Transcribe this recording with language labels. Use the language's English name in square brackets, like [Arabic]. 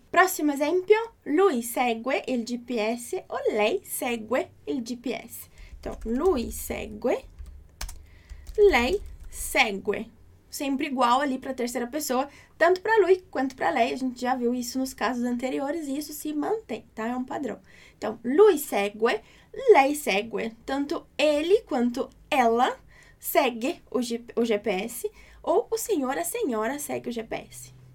[Portuguese] Próximo exemplo, [Italian] lui segue il GPS ou lei segue il GPS. Então, lui segue, lei segue. [Portuguese] Sempre igual ali para a terceira pessoa, tanto para Lui quanto para Lei. A gente já viu isso nos casos anteriores e isso se mantém, tá? É um padrão. [Italian] Então, Lui segue, Lei segue. [Portuguese] Tanto ele quanto ela segue o GPS ou o senhor, a senhora segue o GPS.